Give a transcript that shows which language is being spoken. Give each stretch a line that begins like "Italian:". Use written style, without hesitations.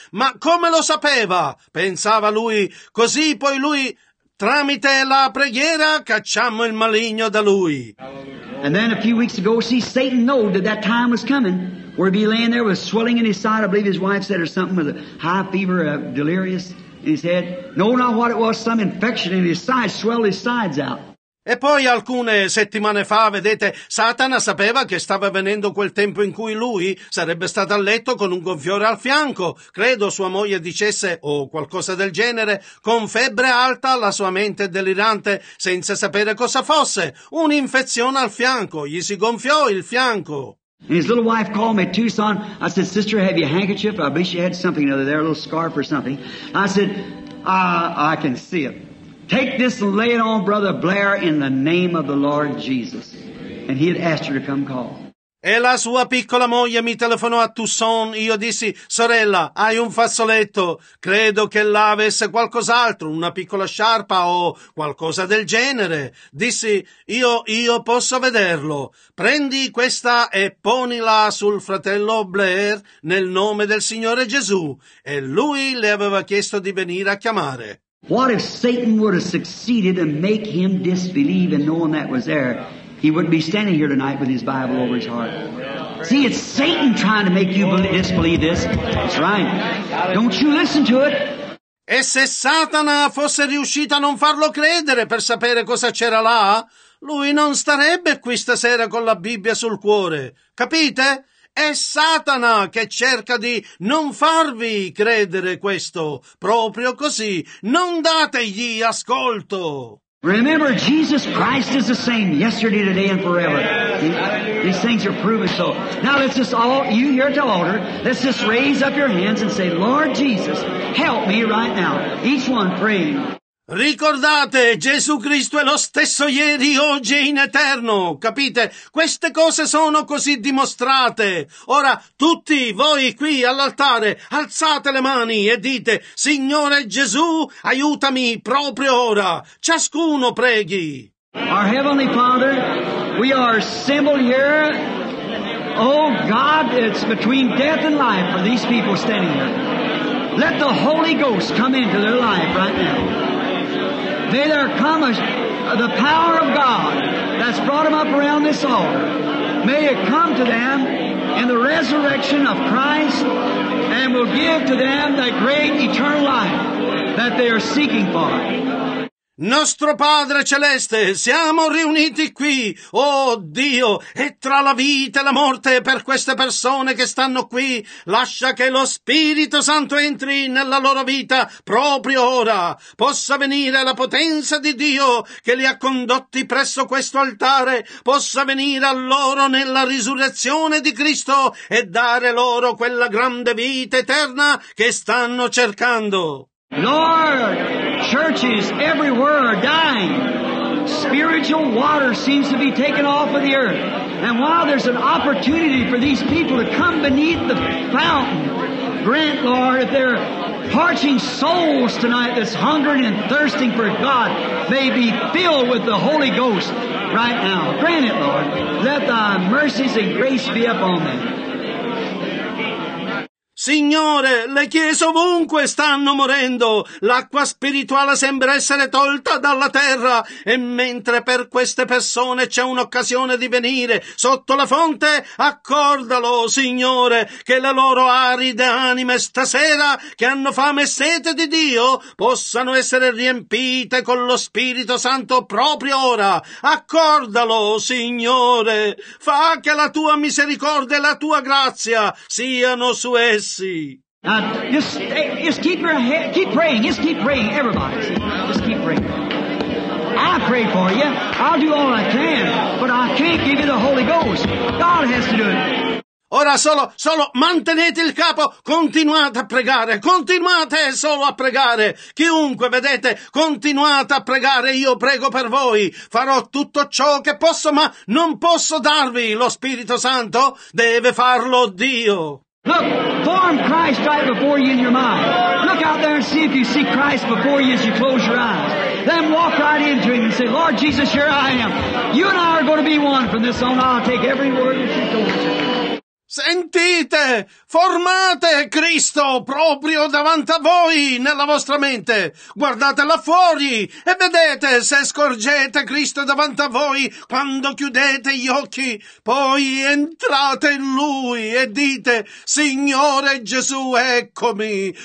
Italian: Ma come lo sapeva? Pensava lui. Così poi lui, tramite la preghiera, cacciammo il maligno da lui.
English: And then a few weeks ago, see, Satan knew that that time was coming. Where he'd be laying there with swelling in his side, I believe his wife said, or something with a high fever, delirious in his head. No, not what it was, some infection in his side, swelled his sides out.
Italian: E poi alcune settimane fa, vedete, Satana sapeva che stava venendo quel tempo in cui lui sarebbe stato a letto con un gonfiore al fianco. Credo sua moglie dicesse, o qualcosa del genere, con febbre alta, la sua mente delirante, senza sapere cosa fosse. Un'infezione al fianco, gli si gonfiò il fianco.
English: And his little wife called me at Tucson. I said, "Sister, have you a handkerchief? I believe she had something over there, a little scarf or something." I said, I can see it. Take this and lay it on Brother Blair in the name of the Lord Jesus." And he had asked her to come call.
Italian: E la sua piccola moglie mi telefonò a Tucson. Io dissi, "Sorella, hai un fazzoletto? Credo che là avesse qualcos'altro, una piccola sciarpa o qualcosa del genere." Dissi, io posso vederlo. Prendi questa e ponila sul fratello Blair nel nome del Signore Gesù." E lui le aveva chiesto di venire a chiamare.
English: What if Satan would have succeeded and make him disbelieve and knowing that was there? He wouldn't be standing here tonight with his Bible over his heart. See, it's Satan trying to make you disbelieve this. That's right. Don't you listen to it.
Italian: E se Satana fosse riuscito a non farlo credere per sapere cosa c'era là, lui non starebbe qui stasera con la Bibbia sul cuore. Capite? È Satana che cerca di non farvi credere questo. Proprio così. Non dategli ascolto.
English: Remember, Jesus Christ is the same yesterday, today, and forever. These things are proven so. Now let's just all, you here at the altar, let's just raise up your hands and say, "Lord Jesus, help me right now." Each one praying.
Italian: Ricordate, Gesù Cristo è lo stesso ieri, oggi e in eterno. Capite? Queste cose sono così dimostrate. Ora, tutti voi qui all'altare, alzate le mani e dite, "Signore Gesù, aiutami proprio ora." Ciascuno preghi.
English: Our Heavenly Father, we are assembled here. Oh God, it's between death and life for these people standing here. Let the Holy Ghost come into their life right now. May there come the power of God that's brought them up around this altar. May it come to them in the resurrection of Christ and will give to them the great eternal life that they are seeking for.
Italian: Nostro Padre Celeste, siamo riuniti qui, oh Dio, e tra la vita e la morte per queste persone che stanno qui, lascia che lo Spirito Santo entri nella loro vita proprio ora. Possa venire la potenza di Dio che li ha condotti presso questo altare, possa venire a loro nella risurrezione di Cristo e dare loro quella grande vita eterna che stanno cercando.
English: Lord, churches everywhere are dying. Spiritual water seems to be taken off of the earth. And while there's an opportunity for these people to come beneath the fountain, grant, Lord, if there are parching souls tonight that's hungering and thirsting for God, may be filled with the Holy Ghost right now. Grant it, Lord. Let thy mercies and grace be upon them.
Italian: Signore, le chiese ovunque stanno morendo. L'acqua spirituale sembra essere tolta dalla terra. E mentre per queste persone c'è un'occasione di venire sotto la fonte, accordalo, Signore, che le loro aride anime stasera, che hanno fame e sete di Dio, possano essere riempite con lo Spirito Santo proprio ora. Accordalo, Signore. Fa che la tua misericordia e la tua grazia siano su esse.
English: Now, just keep your head, keep praying, just keep praying, everybody, just keep praying. I pray for you, I'll do all I can, but I can't give you the Holy Ghost. God has to do it.
Italian: Ora solo mantenete il capo, continuate a pregare, continuate solo a pregare. Chiunque vedete, continuate a pregare, io prego per voi. Farò tutto ciò che posso, ma non posso darvi lo Spirito Santo, deve farlo Dio.
English: Look, form Christ right before you in your mind. Look out there and see if you see Christ before you as you close your eyes. Then walk right into him and say, Lord Jesus, here I am. You and I are going to be one from this on. I'll take every word that you told me.
Italian: Sentite, formate Cristo proprio davanti a voi nella vostra mente. Guardate là fuori e vedete se scorgete Cristo davanti a voi quando chiudete gli occhi. Poi entrate in Lui e dite, Signore Gesù, eccomi.